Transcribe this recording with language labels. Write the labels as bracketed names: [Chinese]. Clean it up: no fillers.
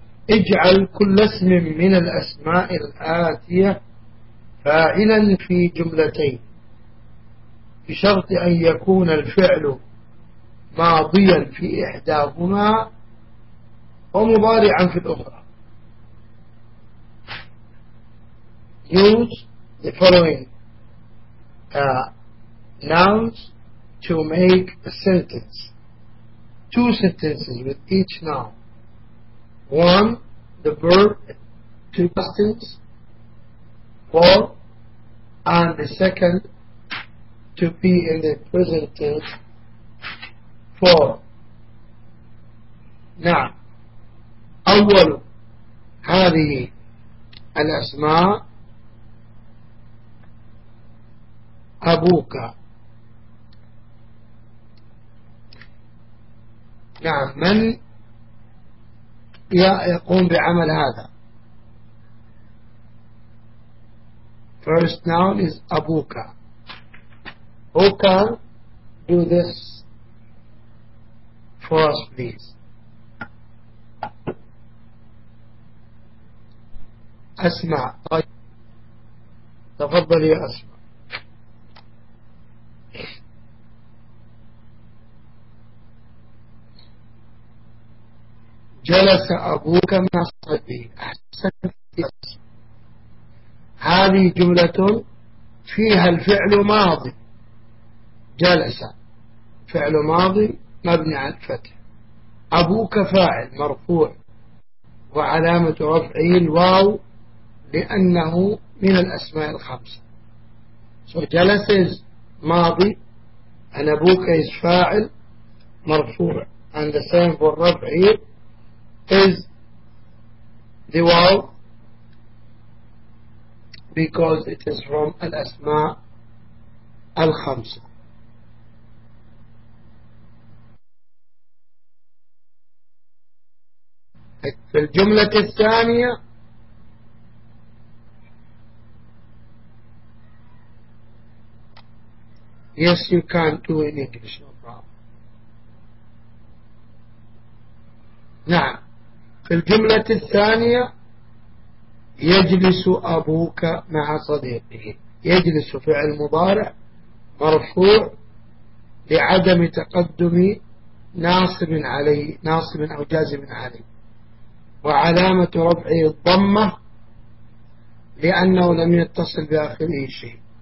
[Arabic] اجعل كل اسم من الأسماء الآتية فاعلا في جملتين بشرط أن يكون الفعل ماضيا في إحداهما ومضارعا في الأخرى. [English] Use the following nouns to make a sentence. Two sentences with each noun. One, the verb, two past tense, for, and the second to be in the present tense, for. [Arabic] Now, أول هذه الأسماء أبوك. نعم، من يقوم بعمل هذا؟ [English] First noun is [Arabic] أبوك. [English] Who can do this for us, please? [Arabic] أسمع. تفضل يا أسمع. جلس أبوك مع صديق. أحسنت. هذه جملة فيها الفعل ماضي. جلس فعل ماضي مبني على الفتح. أبوك فاعل مرفوع وعلامة رفعه الواو لأنه من الأسماء الخمسة. [English] So جلس is ماضي and أبوك is [Arabic] فاعل مرفوع [English] and the same for رفعه is the waw because it is from [Arabic] الأسماء الخمسة. في الجملة الثانية [English] yes you can do in English, no problem. [Arabic] نعم، في الجملة الثانية يجلس أبوك مع صديقه. يجلس فعل مضارع مرفوع لعدم تقدم ناصب أو جازم عليه، وعلامة رفعه الضمة لأنه لم يتصل بآخره شيء.